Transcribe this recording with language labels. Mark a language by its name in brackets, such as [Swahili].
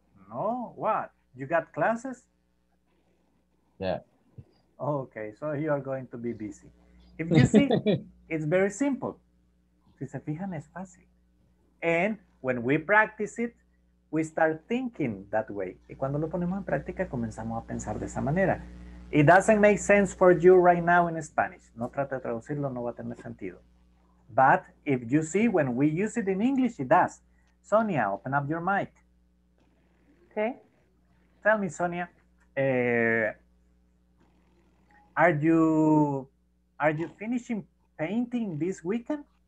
[English] No, what? You got classes? Yeah. Okay, so you are going to be busy. If you see, it's very simple. Si se fijan, es fácil. And when we practice it, we start thinking that way. [Spanish] Y cuando lo ponemos en práctica, comenzamos a pensar de esa manera. [English] It doesn't make sense for you right now in Spanish. [Spanish] No trate de traducirlo, no va a tener sentido. [English] But if you see, when we use it in English, it does. Sonia, open up your mic. Okay. Tell me, Sonia, are you finishing painting this weekend?